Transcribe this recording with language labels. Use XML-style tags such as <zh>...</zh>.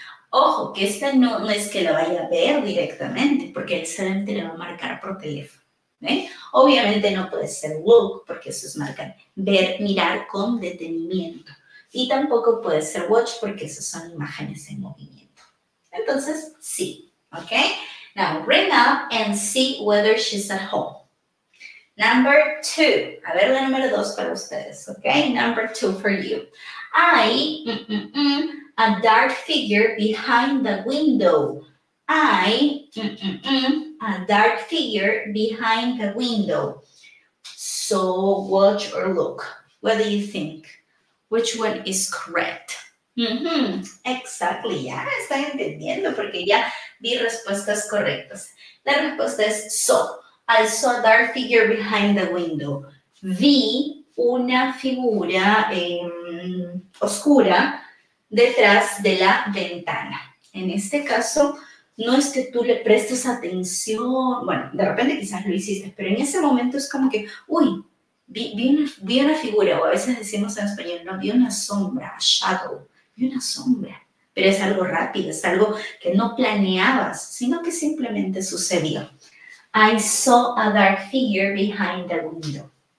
<es>Ojo, que esta no, no es que la vaya a ver directamente, porque él solamente le va a marcar por teléfono. ¿Eh? Obviamente no puede ser look, porque eso es marcar. Ver, mirar con detenimiento. Y tampoco puede ser watch, porque esas son imágenes en movimiento. Entonces, sí. ¿Ok?</es> <en>Now, ring up and see whether she's at home. Number two.</en> <es>A ver la número dos para ustedes, ¿ok?</es> <en>Number two for you. I, a dark figure behind the window. I, a dark figure behind the window. So, watch or look. What do you think? Which one is correct?</en> <es>Exactly, ya están entendiendo porque ya di respuestas correctas. La respuesta es so.</es> <en>I saw a dark figure behind the window.</en> <es>Vi una figura oscura detrás de la ventana. En este caso, no es que tú le prestes atención. Bueno, de repente quizás lo hiciste, pero en ese momento es como que, uy, vi una figura. O a veces decimos en español, no, vi una sombra,</es> <en>a shadow.</en> <es>Vi una sombra. pero es algo rápido, es algo que no planeabas, sino que simplemente sucedió.</es> <en>I saw a dark figure behind the window.</en>